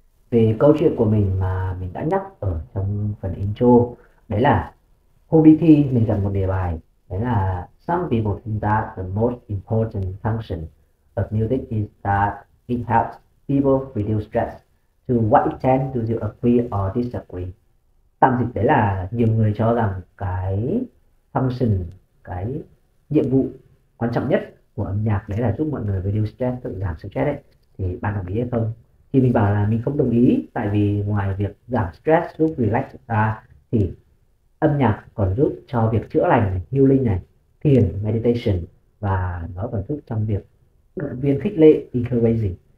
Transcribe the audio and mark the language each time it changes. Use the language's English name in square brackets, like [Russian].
[Vietnamese] Về câu chuyện của mình mà mình đã nhắc ở trong phần intro, đấy là hôm đi thi mình gặp một đề bài, đấy là [English] Some people think that the most important function of music is that it helps people reduce stress. To what extent do you agree or disagree? [Vietnamese] Tạm dịch đấy là nhiều người cho rằng cái function, cái nhiệm vụ quan trọng nhất của âm nhạc đấy là giúp mọi người reduce stress, tự giảm stress ấy. Thì bạn đồng ý hay không? Thì mình bảo là mình không đồng ý, tại vì ngoài việc giảm stress, giúp relax ra, thì âm nhạc còn giúp cho việc chữa lành, healing này, thiền, meditation, và nó còn giúp trong việc động viên, khích lệ, encouraging.